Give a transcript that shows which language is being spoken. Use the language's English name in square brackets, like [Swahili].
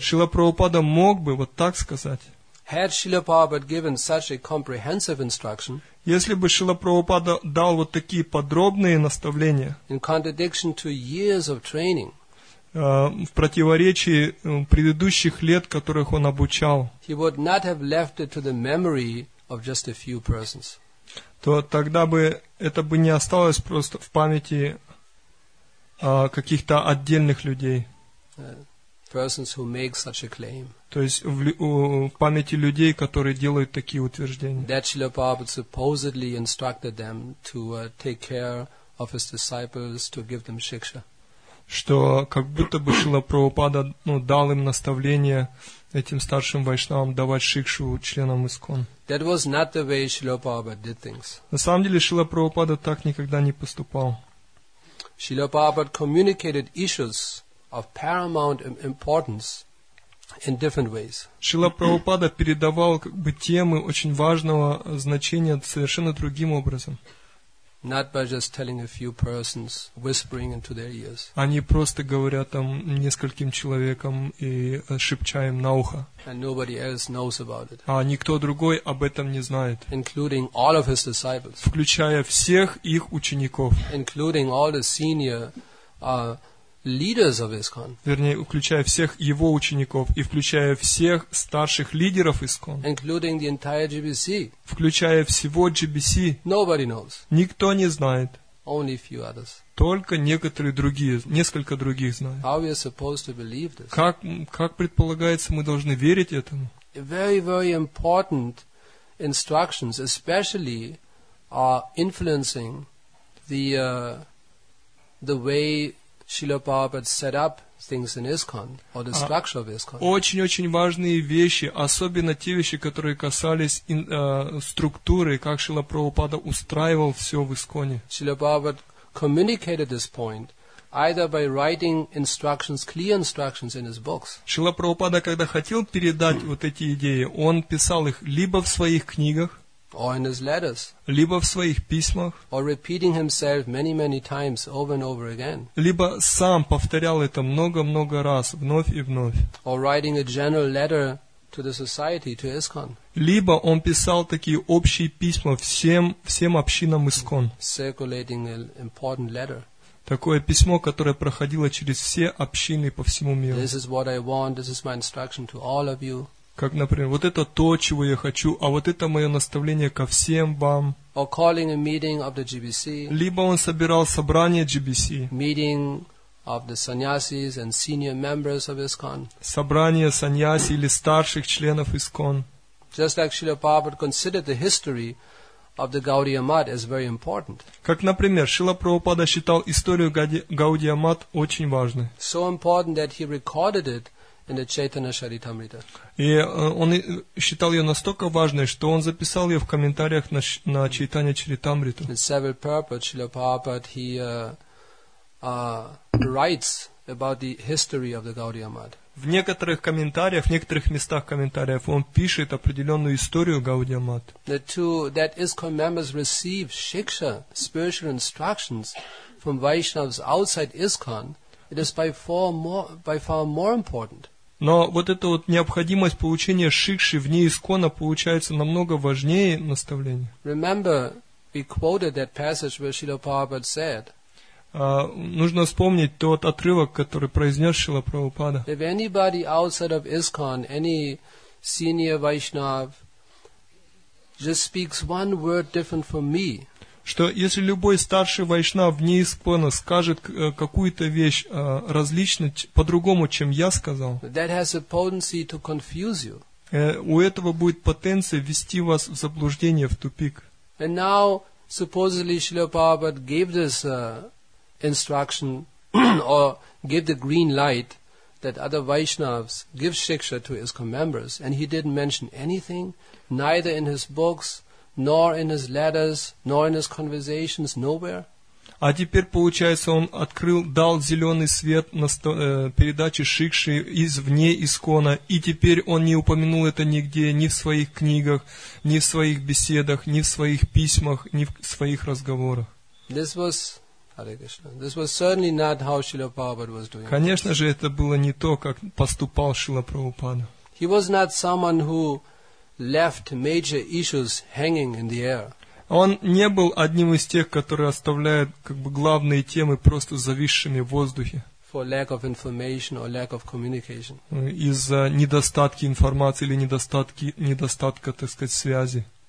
[Russian] Шрила Прабхупада мог бы вот так сказать. [English] Had Srila Prabhupada given such a comprehensive instruction, [Russian] если бы Шрила Прабхупада дал вот такие подробные наставления, [English] in contradiction to years of training, [Russian] в противоречии предыдущих лет, которых он обучал, [English] he would not have left it to the memory of just a few persons. [Russian] То тогда бы это бы не осталось просто в памяти каких-то отдельных людей. [English] Persons who make such a claim. [Russian] То есть в памяти людей, которые делают такие утверждения. [English] That Srila Prabhupada supposedly instructed them to take care of his disciples, to give them shiksha. [Russian] Что как будто бы Шрила Прабхупада дал им наставление этим старшим вайшнавам давать шикшу членам ИСКОН. [English] That was not the way Srila Prabhupada did things. [Russian] На самом деле Шрила Прабхупада так никогда не поступал. [English] Srila Prabhupada communicated issues of paramount importance in different ways. [Russian] Шрила Прабхупада передавал как бы темы очень важного значения совершенно другим образом. [English] Not by just telling a few persons, whispering into their ears. [Russian] Они просто говорят там нескольким человекам и шепча им на ухо. [English] And nobody else knows about it. [Russian] А никто другой об этом не знает. [English] Including all of his disciples. [Russian] Включая всех их учеников. [English] Including all the senior leaders of ISKCON. [Russian] Вернее, включая всех его учеников и включая всех старших лидеров ISKCON. [English] Including the entire GBC. [Russian] Включая всего GBC. [English] Nobody knows. [Russian] Никто не знает. [English] Only few others. [Russian] Только некоторые другие, несколько других знают. [English] How we are supposed to believe this? [Russian] Как предполагается, мы должны верить этому? [English] Very, very important instructions, especially influencing the way Srila Prabhupada set up things in ISKCON or the structure of ISKCON. [Russian] Очень-очень важные вещи, особенно те вещи, которые касались структуры, как Шрила Прабхупада устраивал все в ИСКОНе. [English] Srila Prabhupada communicated this point either by writing instructions, clear instructions in his books. [Russian] Шрила Прабхупада, когда хотел передать вот эти идеи, он писал их либо в своих книгах, [English] or in his letters, [Russian] либо в своих письмах, [English] or repeating himself many, many times over and over again, [Russian] либо сам повторял это много-много раз, вновь и вновь, [English] or writing a general letter to the society, to ISKCON, [Russian] либо он писал такие общие письма всем общинам ISKCON, [English] circulating an important letter. [Russian] Такое письмо, которое проходило через все общины по всему миру. [English] This is what I want, this is my instruction to all of you. [Russian] Как, например, вот это то, чего я хочу, а вот это мое наставление ко всем вам. [English] Or calling a meeting of the GBC. [Russian] Либо он собирал собрание GBC. [English] Meeting of the sannyasis and senior members of ISKCON. [Russian] Собрание саньяси или старших членов ИСКОН. [English] Just like Srila Prabhupada considered the history of the Gaudiya Math as very important. [Russian] Как, например, Шрила Прабхупада считал историю Гаудия Math очень важной. [English] So important that he recorded it in the Chaitanya Charitamrita. [Russian] И он считал ее настолько важной, что он записал ее в комментариях на Чайтанья Чаритамриту. [English] In several purports, Srila Prabhupada, he writes about the history of the Gaudiya Math. [Russian] В некоторых комментариях, в некоторых местах комментариев он пишет определенную историю Гаудия Мат. [English] That ISKCON members receive shiksha, spiritual instructions from Vaishnavas outside ISKCON, it is by far more important. [Russian] Но вот эта вот необходимость получения шикши вне ИСКОНа получается намного важнее наставления. [English] Remember, we quoted that passage where Srila Prabhupada said, [Russian] нужно вспомнить тот отрывок, который произнес Шрила Прабхупада. [English] If anybody outside of ISKCON, any senior Vaishnav, just speaks one word different from me, [Russian] что если любой старший вайшнав вне ИСКОНа скажет какую-то вещь различно, по-другому, чем я сказал, [English] that has a potency to confuse you. [Russian] У этого будет потенция ввести вас в заблуждение, в тупик. [English] And now, supposedly, Srila Prabhupada gave this instruction or give the green light that other Vaishnavas give shiksha to ISKCON members, and he didn't mention anything, neither in his books, nor in his letters, nor in his conversations, nowhere. [Russian] А теперь, получается, он открыл, дал зеленый свет на передаче Шикши из вне Искона, и теперь он не упомянул это нигде, ни в своих книгах, ни в своих беседах, ни в своих письмах, ни в своих разговорах. Конечно же, это было не то, как поступал Шрила Прабхупада. [English] He was not someone who left major issues hanging in the air. [Russian] Он не был одним из тех, которые оставляют как бы главные темы просто зависшими в воздухе. [English] For lack of information or lack of communication. [Russian] Из-за недостатки информации или недостатка, так сказать, связи.